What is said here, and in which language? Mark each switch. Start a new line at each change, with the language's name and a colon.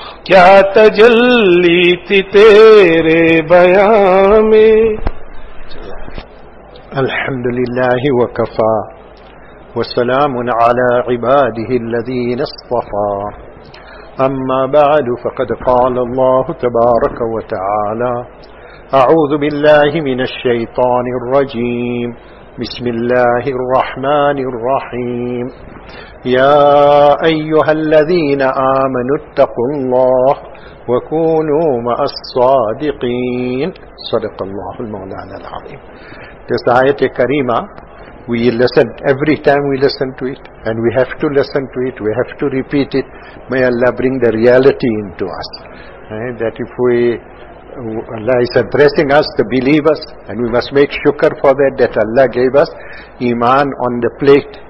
Urdu: کیا تجلی تھی تیرے بیان میں.
Arabic: الحمد للہ وکفا وسلام على عباده الذين اصطفى، اما بعد فقد قال الله تبارك وتعالى اعوذ بالله من الشيطان الرجيم بسم الله الرحمن الرحيم يا ايها الذين امنوا اتقوا الله وكونوا مع الصادقين صدق الله المولانا العظيم.
English: This ayat kareema, we listen, every time we listen to it, and we have to listen to it, we have to repeat it. May Allah bring the reality into us, that if we, Allah is addressing us, the believers, and we must make shukr for that Allah gave us iman on the plate.